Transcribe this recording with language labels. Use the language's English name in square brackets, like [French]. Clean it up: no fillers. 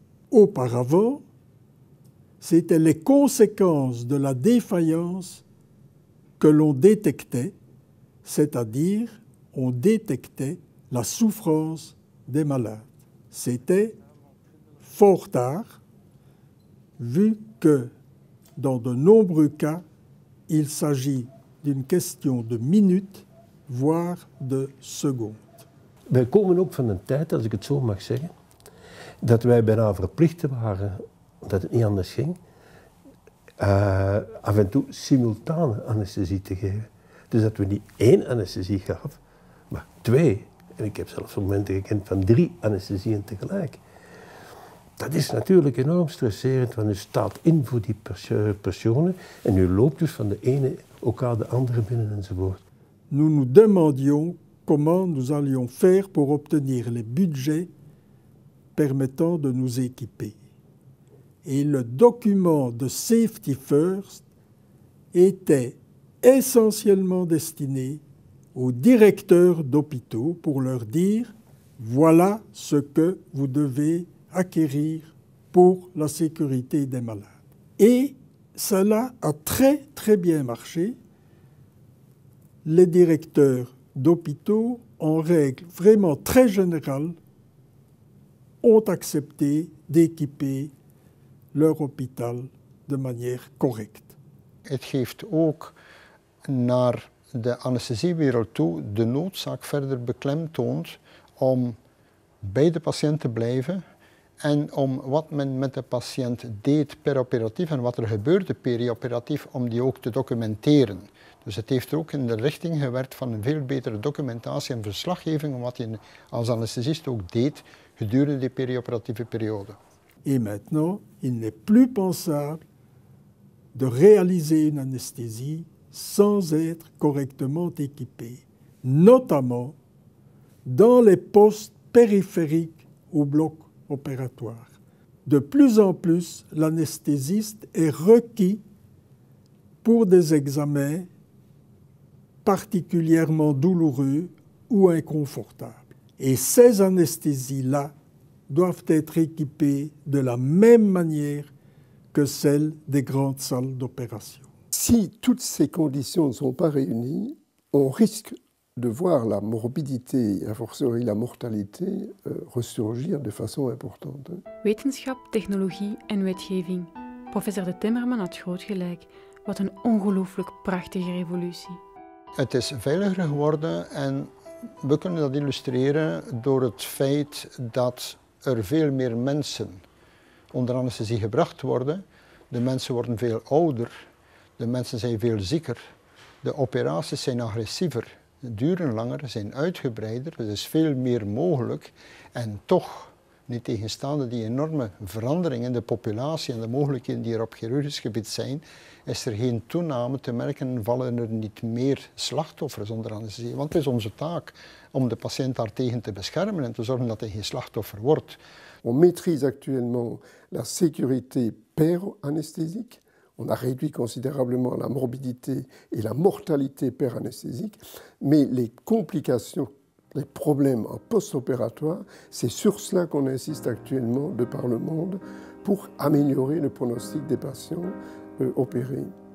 [French] Auparavant, c'était les conséquences de la défaillance que l'on détectait, c'est-à-dire on détectait la souffrance des malades. C'était fort tard, vu que dans de nombreux cas, il s'agit d'une question de minutes, voire de secondes. [Dutch] Wij komen ook van een tijd, als ik het zo mag zeggen, dat wij bijna verplicht waren, dat het niet anders ging, af en toe simultane anesthesie te geven. Dus dat we niet één anesthesie gaf, maar twee. En ik heb zelfs momenten gekend van drie anesthesieën tegelijk. Dat is natuurlijk enorm stresserend, want u staat in voor die personen en u loopt dus van de ene elkaar de andere binnen enzovoort. [French] Nous nous demandions comment nous allions faire pour obtenir les budgets permettant de nous équiper. Et le document de Safety First était essentiellement destiné aux directeurs d'hôpitaux pour leur dire « Voilà ce que vous devez acquérir pour la sécurité des malades. » Et cela a très, très bien marché. Les directeurs d'hôpitaux, en règle vraiment très générale, ont accepté d'équiper leur hôpital de manière correcte. [Dutch] Het geeft ook naar de anesthesiewereld toe de noodzaak verder beklemtoont om bij de patiënt te blijven en om wat men met de patiënt deed perioperatief en wat er gebeurde perioperatief, om die ook te documenteren. Dus het heeft ook in de richting gewerkt van een veel betere documentatie en verslaggeving om wat je als anesthesist ook deed gedurende die perioperatieve periode. [French] Et maintenant, il n'est plus pensable de réaliser une anesthésie sans être correctement équipé, notamment dans les postes périphériques au bloc opératoire. De plus en plus, l'anesthésiste est requis pour des examens particulièrement douloureux ou inconfortables. Et ces anesthésies-là doivent être équipées de la même manière que celles des grandes salles d'opération. Si toutes ces conditions ne sont pas réunies, on risque de voir la morbidité et a fortiori la mortalité ressurgir de façon importante. [Dutch] Wetenschap, technologie en wetgeving. Professeur De Timmerman had groot gelijk. Wat een ongelooflijk prachtige revolutie. Het is veiliger geworden en we kunnen dat illustreren door het feit dat er veel meer mensen onder anesthesie gebracht worden. De mensen worden veel ouder, de mensen zijn veel zieker, de operaties zijn agressiever, duren langer, zijn uitgebreider, er is veel meer mogelijk. En toch, niettegenstaande die enorme verandering in de populatie en de mogelijkheden die er op chirurgisch gebied zijn, is er geen toename te merken en vallen er niet meer slachtoffers onder anesthesie. Want het is onze taak om de patiënt daartegen te beschermen en te zorgen dat hij geen slachtoffer wordt. [French] On maîtrise actuellement la sécurité per-anesthésique. On a réduit considérablement la morbidité et la mortalité per-anesthésique. Mais les complications, les problèmes en post-opératoire, c'est sur cela qu'on insiste actuellement de par le monde pour améliorer le pronostic des patients opérés.